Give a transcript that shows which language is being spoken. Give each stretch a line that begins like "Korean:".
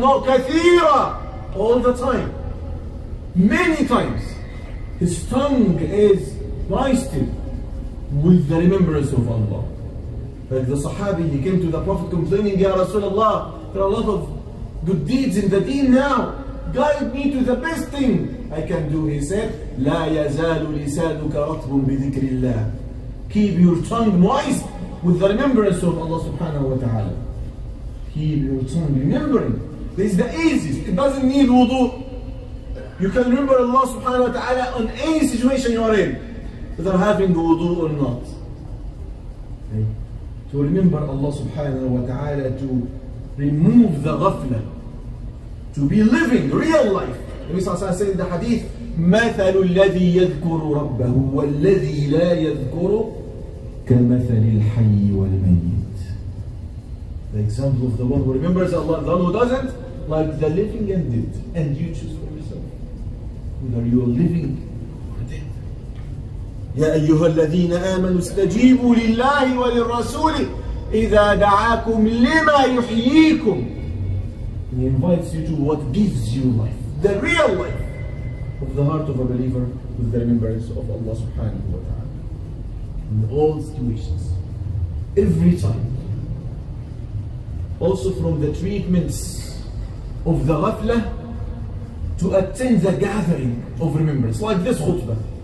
English: No, كثيرا, all the time, many times. His tongue is wasted with the remembrance of Allah. Like the Sahabi, he came to the Prophet complaining, Ya Rasulullah, there are a lot of good deeds in the deen now. Guide me to the best thing I can do, he said.
Arabic: لا يزال لسانك رطب بذكر الله.
English: Keep your tongue moist with the remembrance of Allah subhanahu wa ta'ala. Keep your tongue remembering. This is the easiest. It doesn't need wudu. You can remember Allah subhanahu wa ta'ala on any situation you are in, whether having wudu or not. Okay. To remember Allah subhanahu wa ta'ala, to remove the ghafla, to be living real life. Nabi sallallahu alayhi wa sallam said in the hadith,
Arabic: مَثَلُ الَّذِي يَذْكُرُ رَبَّهُ وَالَّذِي لَا يَذْكُرُ كَمَثَلِ الْحَيِّ وَالْمَيِّتِ.
English: The example of the one who remembers Allah, the one who doesn't, like the living and dead. And you choose for yourself whether you are living or dead.
Arabic: يا أيها الذين آمنوا استجيبوا لله وللرسول إذا دعاكم لما يحييكم.
English: He invites you to what gives you life. The real life of the heart of a believer with the remembrance of Allah subhanahu wa ta'ala. In all situations, every time. Also from the treatments of the ghafla to attend the gathering of remembrance, like this khutbah.